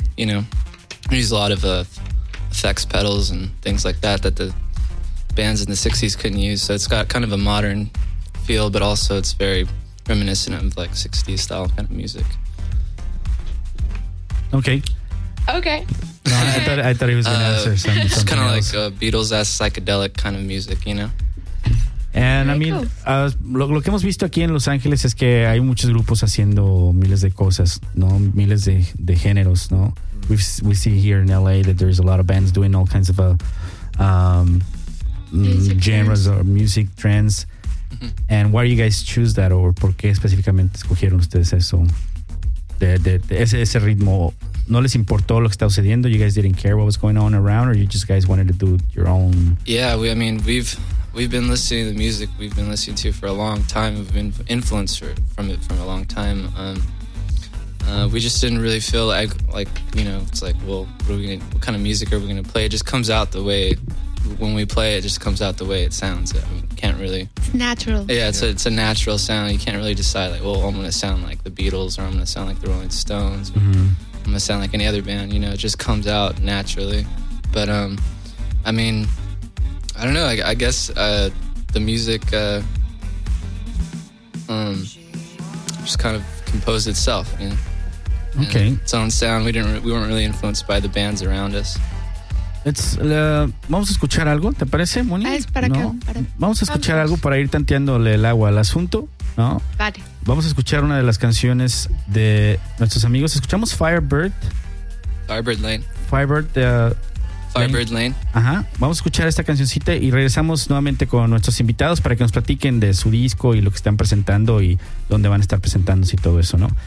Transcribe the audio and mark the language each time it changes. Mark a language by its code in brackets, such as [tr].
[en] You know, we use a lot of effects pedals and things like that that the bands in the 60s couldn't use, so it's got kind of a modern feel, but also it's very reminiscent of like 60s style kind of music. Okay. No, I thought he was gonna answer something. It's kind of like a Beatles-esque psychedelic kind of music, you know. And very, I mean, cool. [es] Lo que hemos visto aquí en Los Ángeles es que hay muchos grupos haciendo miles de cosas, no, miles de géneros, no. [en] We see here in LA that there's a lot of bands doing all kinds of genres or music trends. And why do you guys choose that, or [es] por qué específicamente escogieron ustedes eso? Ese ritmo, ¿no les importó lo que estaba sucediendo? [en] You guys didn't care what was going on around, or you just guys wanted to do your own? Yeah, we've been listening to the music we've been listening to for a long time. We've been influenced from it for a long time. We just didn't really feel like, you know, it's like, well, what kind of music are we going to play? It just comes out the way, when we play, it just comes out the way it sounds. I mean, can't really. It's natural. Yeah, it's a natural sound. You can't really decide, like, well, I'm going to sound like the Beatles, or I'm going to sound like the Rolling Stones, or I'm going to sound like any other band. You know, it just comes out naturally. But, I mean, I don't know. I guess the music just kind of composed itself. You know? Okay. Its own sound. We weren't really influenced by the bands around us. [es] Vamos a escuchar algo, ¿te parece, Moni? Es para, ¿no? Para. Vamos a escuchar, vamos, algo para ir tanteándole el agua al asunto, ¿no? Vale. Vamos a escuchar una de las canciones de nuestros amigos. Escuchamos Firebird. Firebird Lane. Firebird Lane. Ajá. Vamos a escuchar esta cancioncita y regresamos nuevamente con nuestros invitados para que nos platiquen de su disco y lo que están presentando y dónde van a estar presentándose y todo eso, ¿no?